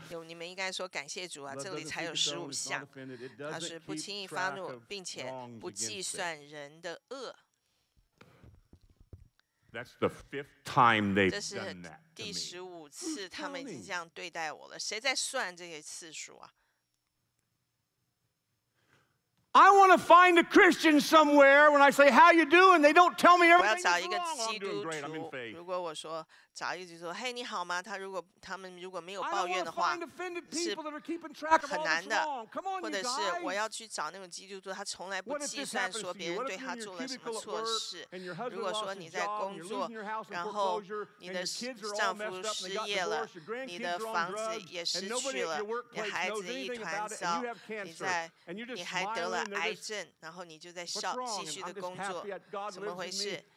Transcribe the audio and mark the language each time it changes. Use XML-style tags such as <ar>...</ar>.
<zh>有你们应该说感谢主啊，这里才有十五项。他是不轻易发怒，并且不计算人的恶。</zh> <en>That's the fifth time they've done that.</en> <zh>这是第十五次他们已经这样对待我了。谁在算这些次数啊？</zh> <en>I want to find a Christian somewhere when I say how you doing, they don't tell me everything is wrong. I'm doing great. I'm in faith.</en> <zh>如果我说找一个基督徒，嘿，你好吗？他们如果没有抱怨的话，是很难的。或者是我要去找那种基督徒，他从来不计算说别人对他做了什么错事。如果说你在工作，然后你的丈夫失业了，你的房子也失去了，你孩子一团糟，你还得了癌症，然后你就在笑，继续的工作，怎么回事？</zh>